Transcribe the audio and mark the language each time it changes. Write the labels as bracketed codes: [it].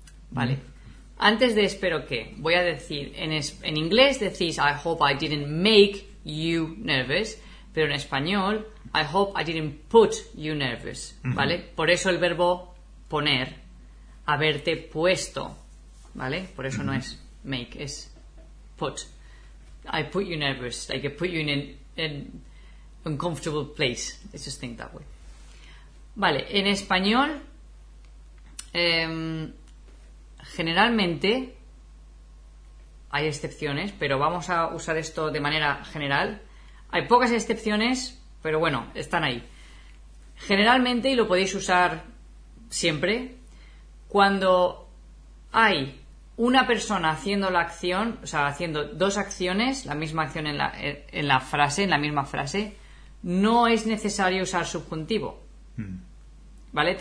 [es] Vale. Antes de espero que, voy a decir, en inglés decís [en] I hope I didn't make you nervous, [es] pero en español, [en] I hope I didn't put you nervous, [es] ¿vale? Uh-huh. Por eso el verbo poner, haberte puesto, ¿vale? Por eso uh-huh. No es make, es put. [en] I put you nervous, like I put you in uncomfortable place. Let's just think that way. [es] Vale, en español, generalmente, hay excepciones, pero vamos a usar esto de manera general. Hay pocas excepciones, pero bueno, están ahí. Generalmente, y lo podéis usar siempre, cuando hay una persona haciendo la acción, o sea, haciendo dos acciones, la misma acción en la misma frase, no es necesario usar subjuntivo, ¿vale?